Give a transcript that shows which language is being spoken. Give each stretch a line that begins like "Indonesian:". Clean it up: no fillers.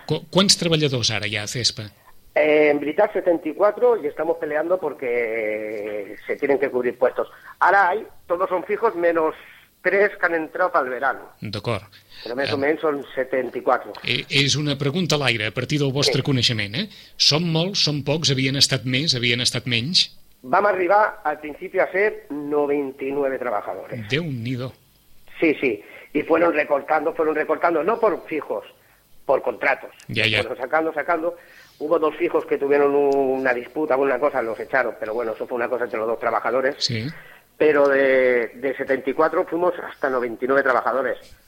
Spanish: ¿Cuántos trabajadores ahora ya a CESPA? En Britar 74, y estamos peleando porque se tienen que cubrir puestos. Ahora hay, todos son fijos, menos 3 que han entrado para el verano.
Catalan: D'acord.
Spanish: Pero más o menos son 74.
Catalan: És una pregunta a l'aire, a partir del vostre coneixement. Són molts, són pocs, havien estat més, havien estat menys? Vam arribar al principi a ser 99 treballadors. Déu-n'hi-do. Sí, sí.
Spanish: I fueron recortando, no por fijos, por contratos. Ya. Fueron sacando. Hubo dos fijos que tuvieron una disputa, alguna cosa, los echaron. Pero bueno, eso fue una cosa entre los dos trabajadores. Sí. Pero de 74 fuimos hasta 99 trabajadores.